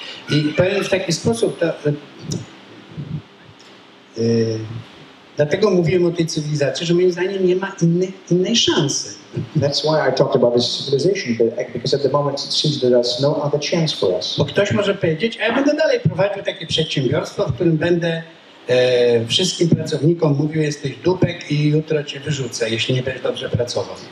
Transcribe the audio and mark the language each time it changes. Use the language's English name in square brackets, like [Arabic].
[Polish] I powiem w taki sposób, to dlatego mówiłem o tej cywilizacji, że moim zdaniem nie ma innej szansy. [English] That's why I talked about this civilization, because at the moment it seems that there's no other chance for us. [Polish] Bo ktoś może powiedzieć, a ja będę dalej prowadził takie przedsiębiorstwo, w którym będę wszystkim pracownikom mówił, jesteś dupek i jutro cię wyrzucę, jeśli nie będziesz dobrze pracował.